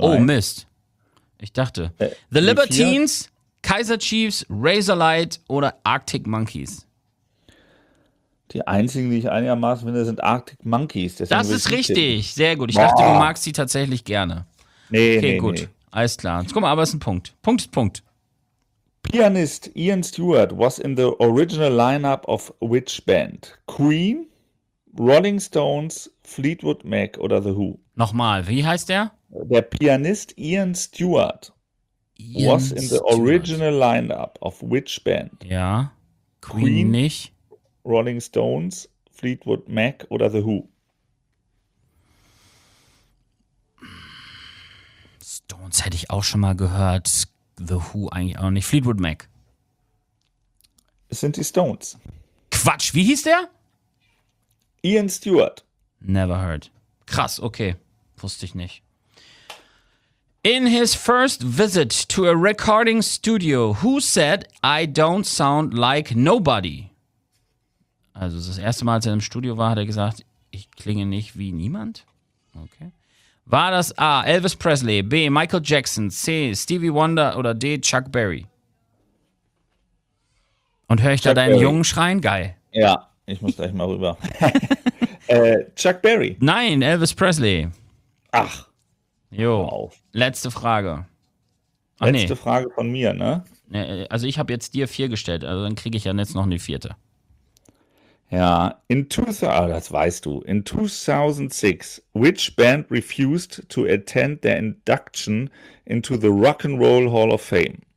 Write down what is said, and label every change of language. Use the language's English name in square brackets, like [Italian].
[German] Oh Mist. Ich dachte. The Libertines, Kaiser Chiefs, Razor Light oder Arctic Monkeys? Die einzigen, die ich einigermaßen finde, sind Arctic Monkeys. Deswegen das ist richtig. Tippen. Sehr gut. Ich dachte, du magst sie tatsächlich gerne. Nee, okay. Alles klar. Jetzt guck mal, aber es ist ein Punkt. Punkt ist Punkt. [English] Pianist Ian Stewart was in the original lineup of which band? [German] Queen, Rolling Stones, Fleetwood Mac oder The Who? Nochmal, wie heißt der? Der [English] Pianist Ian Stewart was in the original lineup of which band? [German] Ja, Queen nicht. Rolling Stones, Fleetwood Mac oder The Who? Stones hätte ich auch schon mal gehört. The Who eigentlich auch nicht. Fleetwood Mac. Es sind die Stones. Quatsch, wie hieß der? Ian Stewart. [English] Never heard. [German] Krass, okay. Wusste ich nicht. [English] In his first visit to a recording studio, who said, I don't sound like nobody? [German] Also das erste Mal, als er im Studio war, hat er gesagt, ich klinge nicht wie niemand. Okay. War das A, Elvis Presley, B, Michael Jackson, C, Stevie Wonder oder D, Chuck Berry? Und höre ich Chuck da deinen Berry. Jungen schreien? Geil. Ja, ich muss gleich mal rüber. Chuck Berry. Nein, Elvis Presley. Ach. Jo, wow. Letzte Frage. Frage von mir, ne? Also ich habe jetzt dir 4 gestellt, also dann kriege ich ja jetzt noch eine 4. [English] Ja, in 2006, which band refused to attend their induction into the Rock and Roll Hall of Fame?